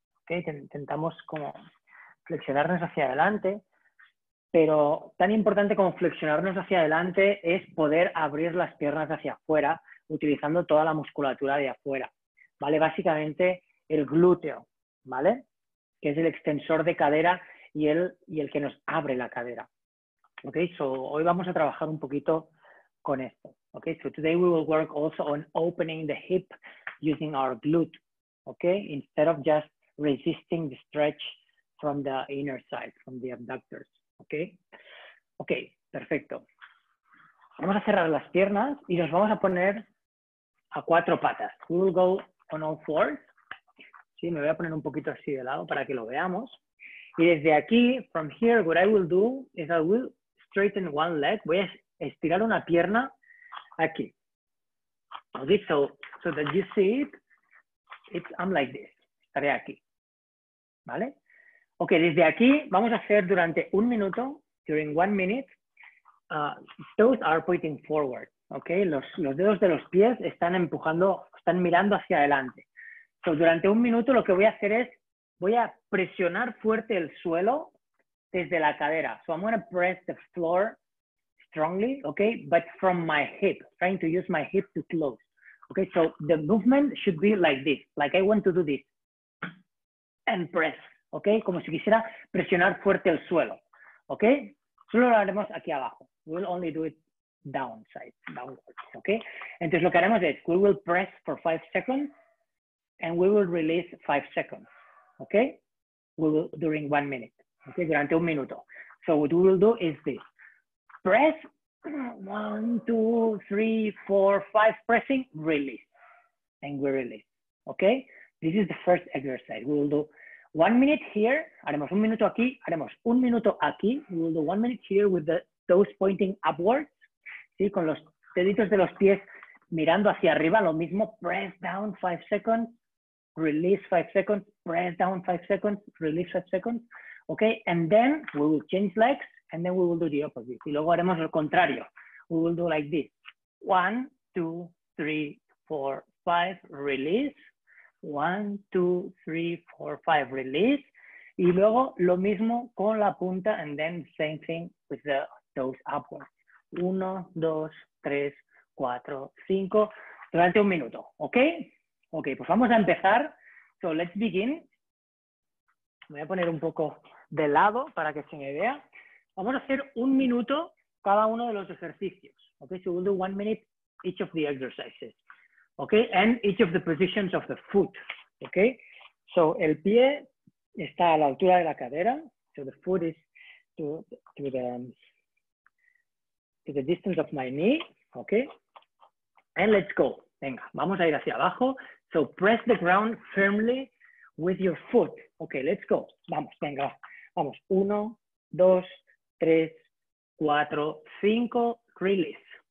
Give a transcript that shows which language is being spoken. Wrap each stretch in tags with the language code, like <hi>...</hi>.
<es>Okay, intentamos como flexionarnos hacia adelante, pero tan importante como flexionarnos hacia adelante es poder abrir las piernas hacia afuera utilizando toda la musculatura de afuera, ¿vale? Básicamente el glúteo, ¿vale? Que es el extensor de cadera y el que nos abre la cadera. Okay, so hoy vamos a trabajar un poquito con esto.</es> <en>Okay, so today we will work also on opening the hip using our glute, okay? Instead of just resisting the stretch from the inner side, from the abductors, okay?</en> <es>Okay, perfecto. Vamos a cerrar las piernas y nos vamos a poner a cuatro patas.</es> <en>We will go on all fours.</en> <es>Sí, me voy a poner un poquito así de lado para que lo veamos. Y desde aquí,</es> <en>from here, what I will do is I will straighten one leg.</en> <es>Voy a estirar una pierna aquí.</es> <en>Okay, so that you see it, I'm like this.</en> <es>Estaré aquí, ¿vale? Ok, desde aquí vamos a hacer durante un minuto,</es> <en>during one minute, toes are pointing forward,</en> <es>¿ok? Los dedos de los pies están empujando, están mirando hacia adelante. So, durante un minuto lo que voy a hacer es, voy a presionar fuerte el suelo desde la cadera.</es> <en>So I'm going to press the floor strongly, ¿ok? But from my hip, trying to use my hip to close. Ok, so the movement should be like this, like I want to do this. And press, ¿ok?</en> <es>Como si quisiera presionar fuerte el suelo, ¿ok? Solo lo haremos aquí abajo.</es> <en>We'll only do it downside, downwards, ¿ok?</en> <es>Entonces lo que haremos es,</es> <en>we will press for 5 seconds and we will release 5 seconds, ¿ok? We will, during 1 minute, ¿ok?</en> <es>Durante un minuto.</es> <en>So what we will do is this. Press, 1, 2, 3, 4, 5, pressing, release. And we release, ¿ok? This is the first exercise. We will do 1 minute here.</en> <es>Haremos un minuto aquí. Haremos un minuto aquí.</es> <en>We will do 1 minute here with the toes pointing upwards.</en> <es>¿Sí? Con los deditos de los pies mirando hacia arriba. Lo mismo.</es> <en>Press down 5 seconds. Release 5 seconds. Press down 5 seconds. Release 5 seconds. Okay. And then we will change legs. And then we will do the opposite.</en> <es>Y luego haremos lo contrario.</es> <en>We will do like this. 1, 2, 3, 4, 5. Release. 1, 2, 3, 4, 5, release.</en> <es>Y luego lo mismo con la punta,</es> <en>and then same thing with the toes upwards.</en> <es>1, 2, 3, 4, 5, durante un minuto, ¿ok? Ok, pues vamos a empezar.</es> <en>So let's begin.</en> <es>Voy a poner un poco de lado para que se me vea. Vamos a hacer un minuto cada uno de los ejercicios.</es> <en>Ok, so we'll do 1 minute each of the exercises. Okay, and each of the positions of the foot.</en> <es>Okay, so el pie está a la altura de la cadera.</es> <en>So the foot is to the distance of my knee. Okay, and let's go.</en> <es>Venga, vamos a ir hacia abajo.</es> <en>So press the ground firmly with your foot. Okay, let's go.</en> <es>Vamos, venga, vamos.</es> <en>1, 2, 3, 4, 5. Release.</en>